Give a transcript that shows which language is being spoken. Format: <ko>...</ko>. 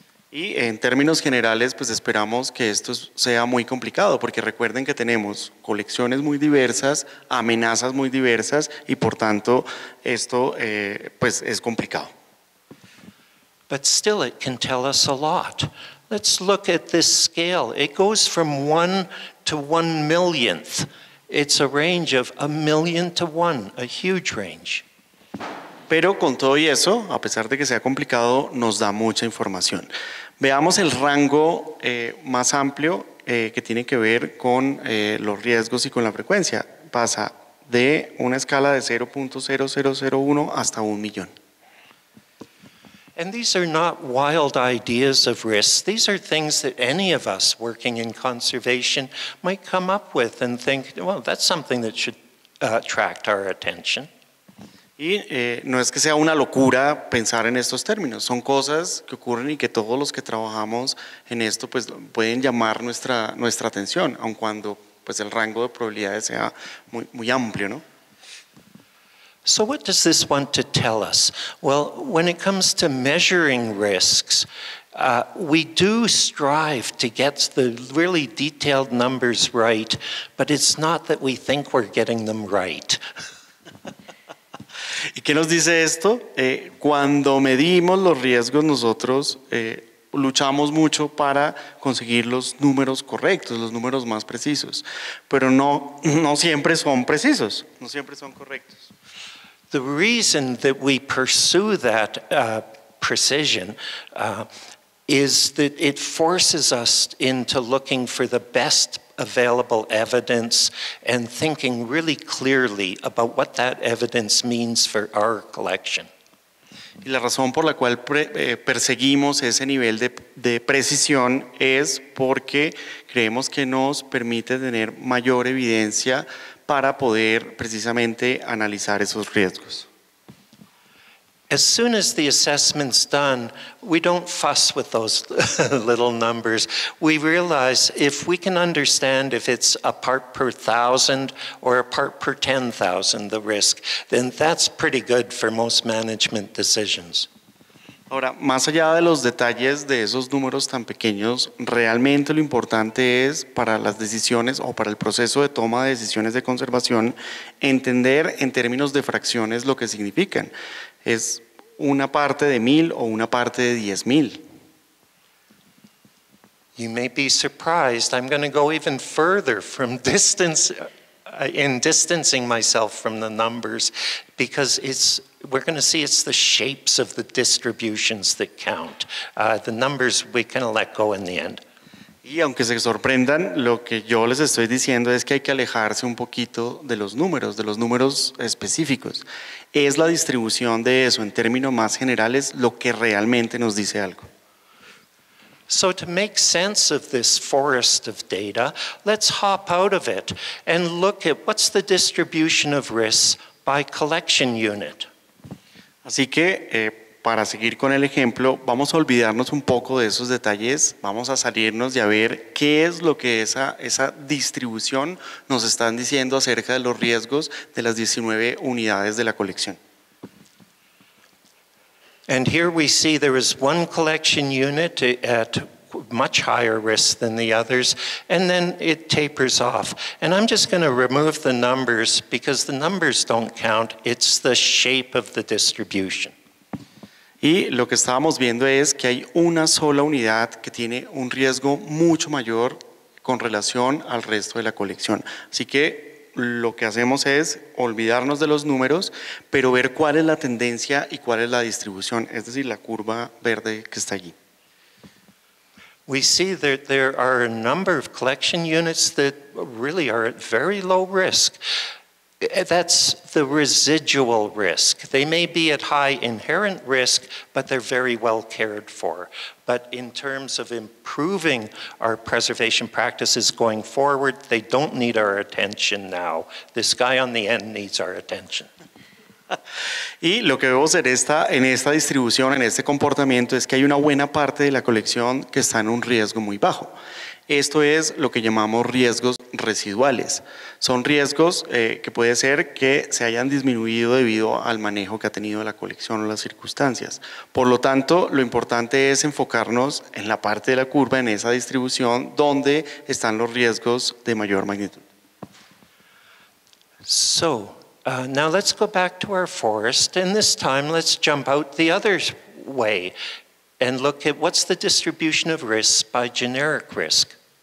<es>Y en términos generales, pues esperamos que esto sea muy complicado, porque recuerden que tenemos colecciones muy diversas, amenazas muy diversas, y por tanto, esto pues es complicado.</es> <en>But still it can tell us a lot. Let's look at this scale. It goes from 1 to 1 millionth. It's a range of 1 million to 1, a huge range.</en> <es>Pero con todo y eso, a pesar de que sea complicado, nos da mucha información. Veamos el rango más amplio que tiene que ver con los riesgos y con la frecuencia. Pasa de una escala de 0.0001 hasta 1 millón.</es> <en>And these are not wild ideas of risks. These are things that any of us working in conservation might come up with and think, well, that's something that should attract our attention.</en> <es>Y no es que sea una locura pensar en estos términos. Son cosas que ocurren y que todos los que trabajamos en esto pues pueden llamar nuestra atención, aun cuando pues el rango de probabilidades sea muy, muy amplio, ¿no?</es> <en>So what does this want to tell us? Well, when it comes to measuring risks, we do strive to get the really detailed numbers right, but it's not that we think we're getting them right.</en> <es>¿Y qué nos dice esto? Cuando medimos los riesgos, nosotros luchamos mucho para conseguir los números correctos, los números más precisos, pero no siempre son precisos, no siempre son correctos.</es> <en>The reason that we pursue that precision is that it forces us into looking for the best available evidence and thinking really clearly about what that evidence means for our collection.</en> <es>Y la razón por la cual perseguimos ese nivel de precisión es porque creemos que nos permite tener mayor evidencia para poder precisamente analizar esos riesgos.</es> <en>As soon as the assessment's done, we don't fuss with those little numbers. We realize if we can understand if it's a part per thousand or a part per 10,000 the risk, then that's pretty good for most management decisions.</en> <es>Ahora, más allá de los detalles de esos números tan pequeños, realmente lo importante es para las decisiones o para el proceso de toma de decisiones de conservación entender en términos de fracciones lo que significan. Es una parte de 1,000 o una parte de 10,000.</es> <en>You may be surprised. I'm going to go even further from distancing myself from the numbers, because we're going to see it's the shapes of the distributions that count. The numbers we can let go in the end.</en> <es>Y aunque se sorprendan, lo que yo les estoy diciendo es que hay que alejarse un poquito de los números específicos. Es la distribución de eso, en términos más generales, lo que realmente nos dice algo.</es> <en>So to make sense of this forest of data, let's hop out of it and look at what's the distribution of risks by collection unit.</en> <es>Así que, para seguir con el ejemplo, vamos a olvidarnos un poco de esos detalles, vamos a salirnos y a ver qué es lo que esa distribución nos están diciendo acerca de los riesgos de las 19 unidades de la colección.</es> <en>And here we see there is one collection unit at much higher risk than the others, and then it tapers off. And I'm just going to remove the numbers, because the numbers don't count, it's the shape of the distribution.</en> <es>Y lo que estábamos viendo es que hay una sola unidad que tiene un riesgo mucho mayor con relación al resto de la colección. Así que lo que hacemos es olvidarnos de los números, pero ver cuál es la tendencia y cuál es la distribución, es decir, la curva verde que está allí.</es> <en>We see that there are a number of collection units that really are at very low risk. That's the residual risk. They may be at high inherent risk, but they're very well cared for. But in terms of improving our preservation practices going forward, they don't need our attention now. This guy on the end needs our attention.</en> <es>Y lo que vemos en esta distribución, en este comportamiento, es que hay una buena parte de la colección que está en un riesgo muy bajo. Esto es lo que llamamos riesgos residuales. Son riesgos que puede ser que se hayan disminuido debido al manejo que ha tenido la colección o las circunstancias. Por lo tanto, lo importante es enfocarnos en la parte de la curva, en esa distribución, donde están los riesgos de mayor magnitud.</es> <en>So, now let's go back to our forest, and this time let's jump out the other way and look at what's the distribution of risks by generic risk.</en>